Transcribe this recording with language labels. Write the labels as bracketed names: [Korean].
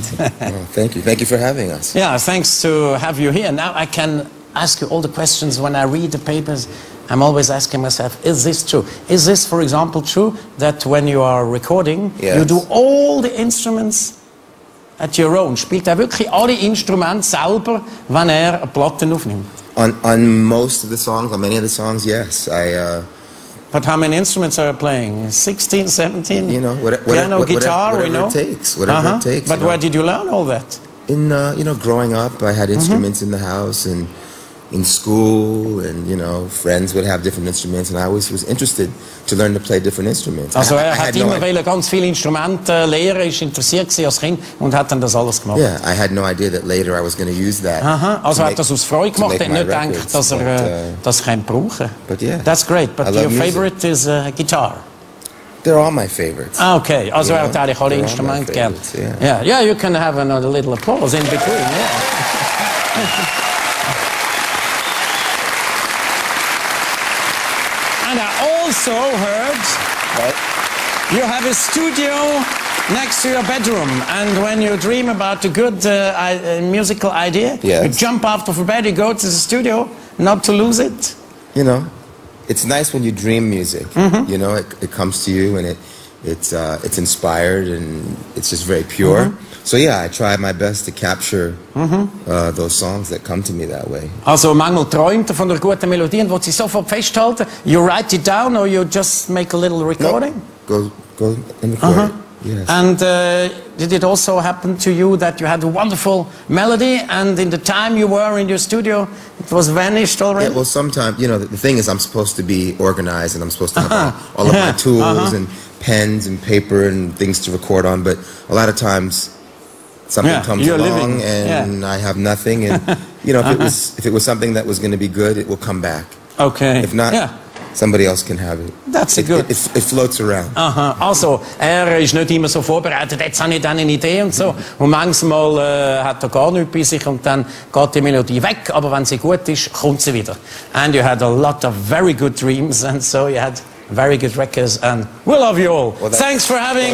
[English] Thank you. Thank you for having us. Yeah, thanks to have you here. Now I can ask you all the questions. When I read the papers, I'm always asking myself, is this true? Is this, for example, true that when you are recording, you do all the instruments at your own? [German] Spielt wirklich alle Instrumente selber, wenn eine Platte aufnimmt? [English] On most of the songs, on many of the songs, yes. But how many instruments are you playing? 16, 17? You know, whatever it takes. But where did you learn all that? Growing up, I had instruments in the house and in school, and, you know, friends would have different instruments, and I always was interested to learn to play different instruments. [German] Also, er wollte immer ganz viele Instrumente lehren als Kind und hat dann das alles gemacht. [English] Yeah, I had no idea that later I was going to use that. [German] Also, er hat das aus Freude gemacht, er nicht denkt, dass er das kann brauchen. [English] But yeah. That's great, but your favorite is a guitar. They're all my favorites. [German] Ah, okay, also, er hat eigentlich alle Instrumente gern. [English] Yeah, you can have another little applause in between. Yeah. Also heard you have a studio next to your bedroom, and when you dream about a good musical idea, you jump out of bed, you go to the studio, not to lose it. You know, it's nice when you dream music. You know, it comes to you and it's inspired and it's just very pure. So yeah, I try my best to capture those songs that come to me that way. [German] Also, manchmal träumt er von einer guten Melodie und will sie sofort festhalten. [English] You write it down or you just make a little recording? No. Go in the court. Yes. And did it also happen to you that you had a wonderful melody and in the time you were in your studio, it was vanished already? Yeah, well, sometimes, you know, the thing is I'm supposed to be organized and I'm supposed to have all of my tools and pens and paper and things to record on, but a lot of times something comes along and I have nothing, and you know, if it was something that was going to be good, it will come back. Okay. If not, somebody else can have it. That's good. It floats around. [German] Also, ist nicht immer so vorbereitet, jetzt habe ich dann eine Idee und so. Und manchmal hat er gar nichts bei sich und dann geht die Melodie weg, aber wenn sie gut ist, kommt sie wieder. [English] And you had a lot of very good dreams, and so you had very good records, and we love you all. Well, thanks for having